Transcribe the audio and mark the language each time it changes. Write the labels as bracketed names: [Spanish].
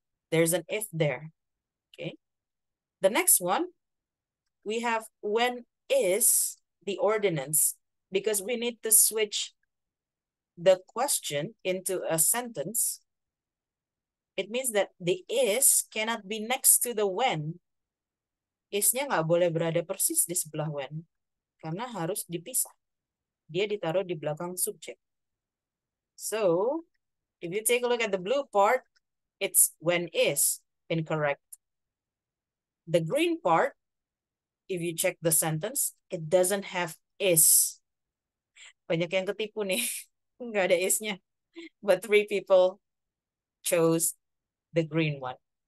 [English] There's an if there. Okay. The next one, we have when is the ordinance, because we need to switch the question into a sentence. It means that the is cannot be next to the when. [Indonesian] Isnya nggak boleh berada persis di sebelah when, karena harus dipisah. Dia ditaruh di belakang subjek. [English] So, if you take a look at the blue part, it's when is incorrect. The green part, if you check the sentence, it doesn't have is. [Indonesian] Banyak yang ketipu nih, nggak ada isnya. [English] But three people chose the green one.